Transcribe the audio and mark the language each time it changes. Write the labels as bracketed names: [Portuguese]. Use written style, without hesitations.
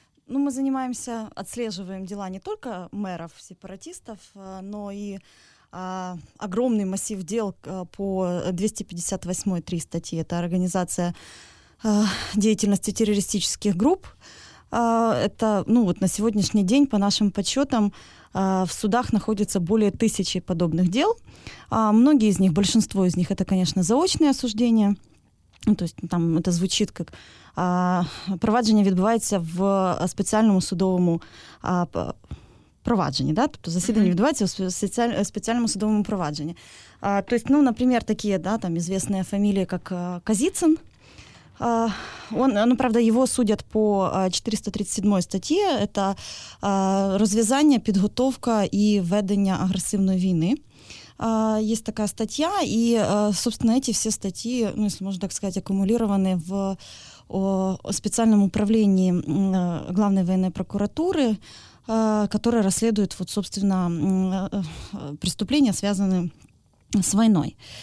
[Russian] Ну, мы занимаемся, отслеживаем дела не только мэров-сепаратистов, но и огромный массив дел по 258-3 статье. Это организация деятельности террористических групп. Это, ну, вот на сегодняшний день, по нашим подсчетам, в судах находится более 1000 подобных дел. Многие из них, большинство из них, это, конечно, заочные осуждения. Ну, то есть там это звучит как провадження відбувається в спеціальному судовому провадженні, да? [Ukrainian] Тобто засідання відбувається в спеціальному судовому провадженні. То есть, ну, наприклад, такі, да, там звісні фамілії, як Козицын. Правда, його судять по 437 статті. Це розв'язання, підготовка і ведення агресивної війни. [Russian] Есть такая статья, и, собственно, эти все статьи, ну, если можно так сказать, аккумулированы в специальном управлении Главной военной прокуратуры, которая расследует, вот, собственно, преступления, связанные с войной.